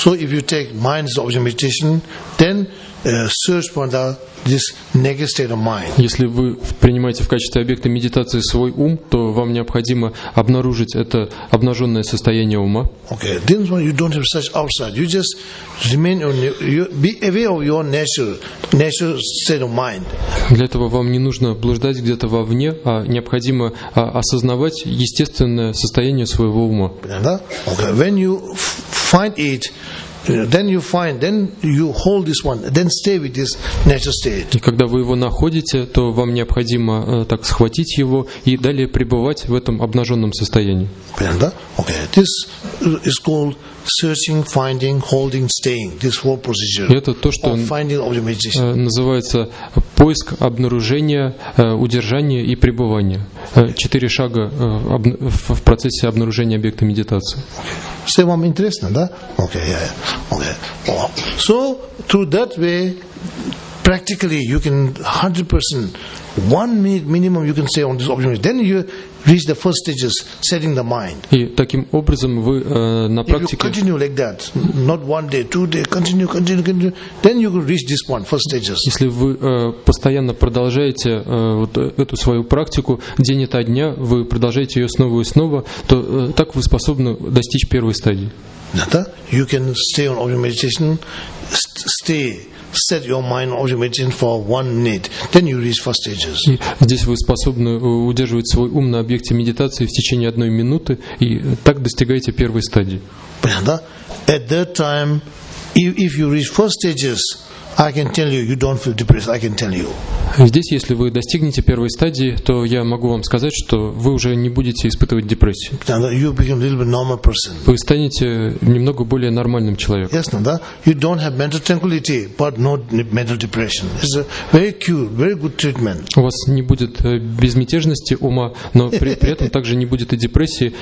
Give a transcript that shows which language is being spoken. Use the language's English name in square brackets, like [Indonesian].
[English] So if you take mind as object meditation, then search for the this negative state of mind. [Russian] Если вы принимаете в качестве объекта медитации свой ум, то вам необходимо обнаружить это обнаженное состояние ума. [English] Okay. Then when you don't have such outside, you just remain on you be aware of your natural state of mind. [Russian] Для этого вам не нужно блуждать где-то вовне, а необходимо осознавать естественное состояние своего ума. Да? [English] Okay. When you find it, then you find, then you hold this one, then stay with this natural state. [Russian] И когда вы его находите, то вам необходимо так схватить его и далее пребывать в этом обнаженном состоянии. Понятно, да? [English] Okay. This is called searching, finding, holding, staying. This whole procedure. [Russian] Это то, что называется поиск, обнаружение, удержание и пребывание. [English] Okay. [Russian] 4 шага в процессе обнаружения объекта медитации. [English] Okay. [Russian] Все вам интересно, да? [English] Okay, yeah, yeah. Okay. So through that way, practically you can 100%, 1 minute minimum you can stay on this object. Then you reach the first stages, setting the mind. [Russian] И таким образом вы на практике. [English] If you continue like that, not 1 day, 2 day, continue, then you will reach this one, first stages. [Russian] Если вы постоянно продолжаете вот эту свою практику день ото дня, вы продолжаете ее снова и снова, то так вы способны достичь первой стадии. Да? [English] You can stay on object meditation, stay. Set your mind on object meditation for 1 minute. Then you reach first stages. [Russian] Здесь вы способны удерживать свой ум на объекте медитации в течение 1 минуты, и так достигаете первой стадии. Понятно? Да? [English] At that time, if you reach first stages, I can tell you, you don't feel depressed. I can tell you. [Russian] Здесь, если вы достигнете первой стадии, то я могу вам сказать, что вы уже не будете испытывать депрессию. Вы станете немного более нормальным человеком. У вас не будет безмятежности ума, но при этом также не будет и депрессии.